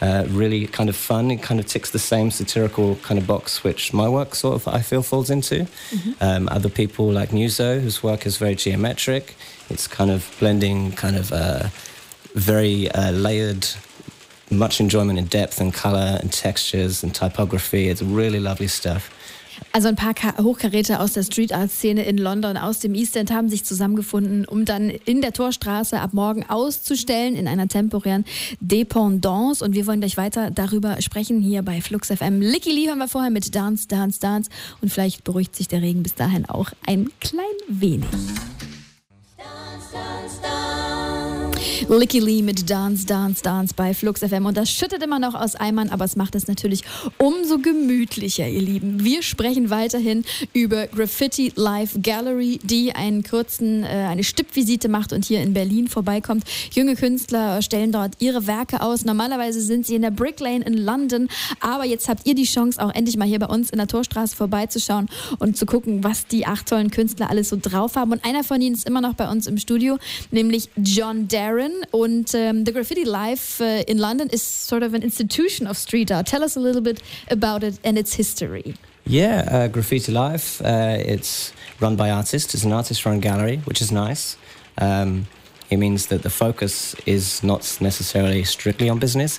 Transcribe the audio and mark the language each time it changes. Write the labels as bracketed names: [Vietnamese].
[English] Really kind of fun. It kind of ticks the same satirical kind of box which my work sort of, I feel, falls into. Mm-hmm. Other people like Nuzo, whose work is very geometric. It's kind of blending kind of very layered, much enjoyment in depth and colour and textures and typography. It's really lovely stuff. [German] Also ein paar Hochkaräter aus der Street-Art-Szene in London, aus dem East End, haben sich zusammengefunden, um dann in der Torstraße ab morgen auszustellen in einer temporären Dépendance. Und wir wollen gleich weiter darüber sprechen hier bei Flux FM. Licky Lee hören wir vorher mit Dance, Dance, Dance. Und vielleicht beruhigt sich der Regen bis dahin auch ein klein wenig. Licky Lee mit Dance, Dance, Dance bei Flux FM. Und das schüttet immer noch aus Eimern, aber es macht es natürlich umso gemütlicher, ihr Lieben. Wir sprechen weiterhin über Graffiti Life Gallery, die einen kurzen, eine Stippvisite macht und hier in Berlin vorbeikommt. Junge Künstler stellen dort ihre Werke aus. Normalerweise sind sie in der Brick Lane in London, aber jetzt habt ihr die Chance, auch endlich mal hier bei uns in der Torstraße vorbeizuschauen und zu gucken, was die acht tollen Künstler alles so drauf haben. Und einer von ihnen ist immer noch bei uns im Studio, nämlich John Darren. [English] And the Graffiti Life in London is sort of an institution of street art. Tell us a little bit about it and its history. Yeah, Graffiti Life, it's run by artists. It's an artist-run gallery, which is nice. It means that the focus is not necessarily strictly on business.